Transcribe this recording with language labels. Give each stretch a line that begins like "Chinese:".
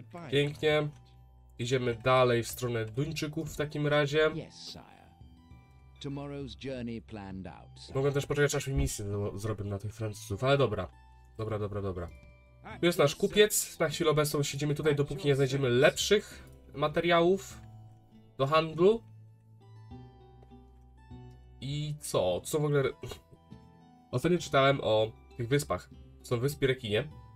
Polish: Pięknie. Idziemy dalej w stronę Duńczyków w takim razie.
English: Tomorrow's journey planned out.
Polish: Mogę też poczekać, aż mi misję zrobię na tych Francuzów, ale dobra. Dobra. Tu jest nasz kupiec. Na chwilę obecną siedzimy tutaj, dopóki nie znajdziemy lepszych materiałów do handlu. I co? Co w ogóle... Ostatnio czytałem o tych wyspach. Są wyspy Rekinie.